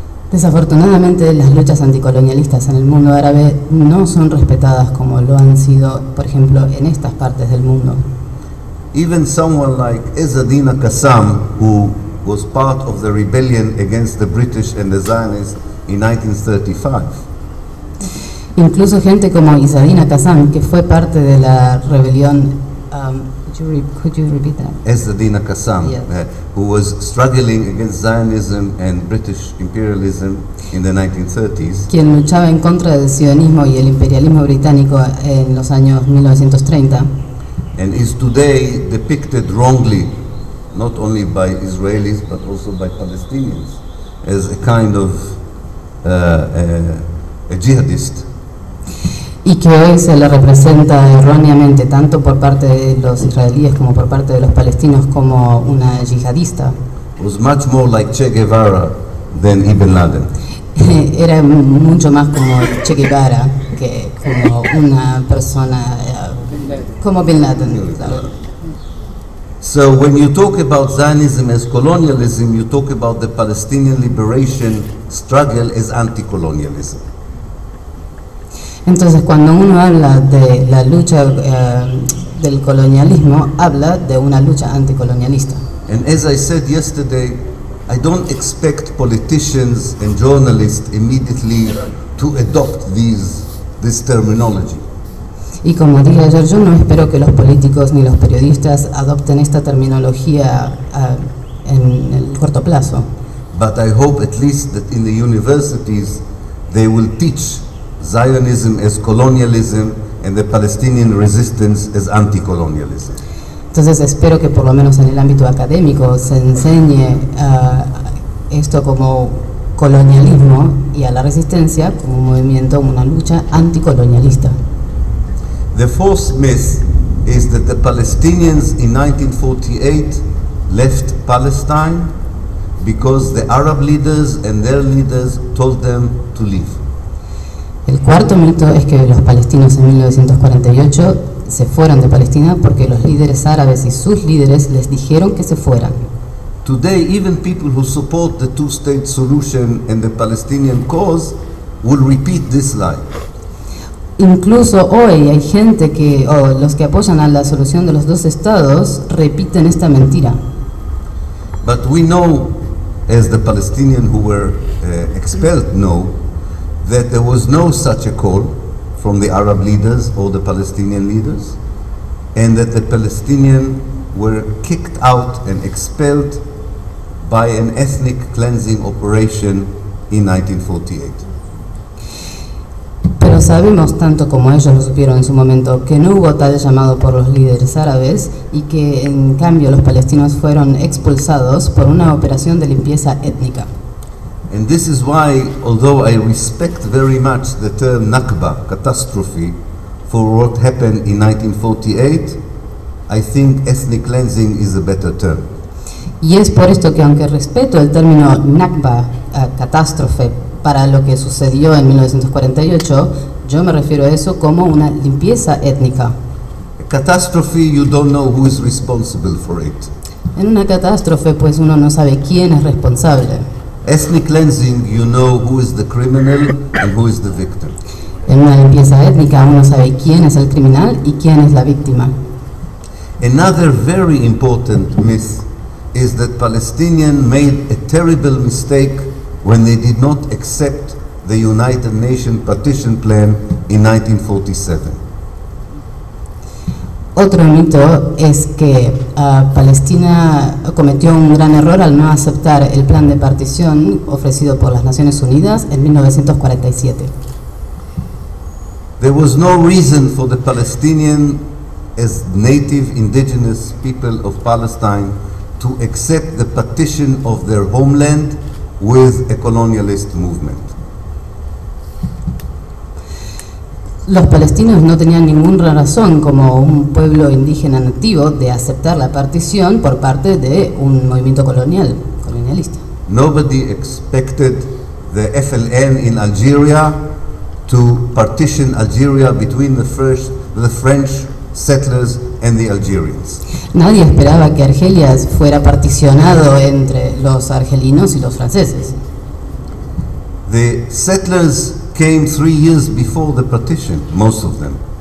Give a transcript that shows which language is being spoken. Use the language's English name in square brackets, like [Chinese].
[Spanish] Desafortunadamente, las luchas anticolonialistas en el mundo árabe no son respetadas como lo han sido, por ejemplo, en estas partes del mundo. [English] Even someone like Ezzedine Qassam, who was part of the rebellion against the British and the Zionists in 1935. [Spanish] Incluso gente como Ezzedine Qassam, que fue parte de la rebelión. [English] Could you repeat that? Ezzedine Qassam, yes. Who was struggling against Zionism and British imperialism in the 1930s. [Spanish] Quien luchaba en contra del sionismo y el imperialismo británico en los años 1930. [English] And is today depicted wrongly, not only by Israelis but also by Palestinians, as a kind of a jihadist. [Spanish] Y que hoy se le representa erróneamente tanto por parte de los israelíes como por parte de los palestinos como una yihadista. [English] Was much more like Che Guevara than Ibn Laden. [Spanish] Era mucho más como Che Guevara que como una persona. Como Bin Laden. [English] So when you talk about Zionism as colonialism, you talk about the Palestinian liberation struggle as anti-colonialism. [Spanish] Entonces, cuando uno habla de la lucha del colonialismo, habla de una lucha anticolonialista. [English] And as I said yesterday, I don't expect politicians and journalists immediately to adopt this terminology. [Spanish] Y como dije ayer, yo no espero que los políticos ni los periodistas adopten esta terminología en el corto plazo. [English] But I hope at least that in the universities they will teach Zionism as colonialism and the Palestinian resistance as anti-colonialism. [Spanish] Entonces espero que por lo menos en el ámbito académico se enseñe esto como colonialismo y a la resistencia como un movimiento, una lucha anticolonialista. [English] The fourth myth is that the Palestinians in 1948 left Palestine because the Arab leaders and their leaders told them to leave. [Spanish] El cuarto mito es que los palestinos en 1948 se fueron de Palestina porque los líderes árabes y sus líderes les dijeron que se fueran. [English] Today, even people who support the two-state solution and the Palestinian cause will repeat this lie. [Spanish] Incluso hoy hay gente que, los que apoyan a la solución de los dos estados, repiten esta mentira. [English] But we know, as the Palestinians who were expelled know, that there was no such a call from the Arab leaders or the Palestinian leaders, and that the Palestinians were kicked out and expelled by an ethnic cleansing operation in 1948. [Spanish] Pero sabemos, tanto como ellos lo supieron en su momento, que no hubo tal llamado por los líderes árabes y que en cambio los palestinos fueron expulsados por una operación de limpieza étnica. [English] And this is why, although I respect very much the term Nakba, catastrophe, for what happened in 1948, I think ethnic cleansing is a better term. [Spanish] Y es por esto que, aunque respeto el término Nakba, catástrofe, para lo que sucedió en 1948, yo me refiero a eso como una limpieza étnica. [English] A catastrophe, you don't know who is responsible for it. [Spanish] En una catástrofe, pues uno no sabe quién es responsable. [English] Ethnic cleansing, you know who is the criminal and who is the victim. [Spanish] En una limpieza étnica uno sabe quién es el criminal y quién es la víctima. [English] Another very important myth is that Palestinians made a terrible mistake when they did not accept the United Nations Partition Plan in 1947. [Spanish] Otro mito es que Palestina cometió un gran error al no aceptar el plan de partición ofrecido por las Naciones Unidas en 1947. [English] There was no reason for the Palestinian, as native indigenous people of Palestine, to accept the partition of their homeland with a colonialist movement. [Spanish] Los palestinos no tenían ninguna razón, como un pueblo indígena nativo, de aceptar la partición por parte de un movimiento colonial, colonialista. [English] Nobody expected the FLN in Algeria to partition Algeria between the French settlers and the Algerians. [Spanish] Nadie esperaba que Argelia fuera particionado entre los argelinos y los franceses. [English] The settlers came 3 years before the partition, most of them.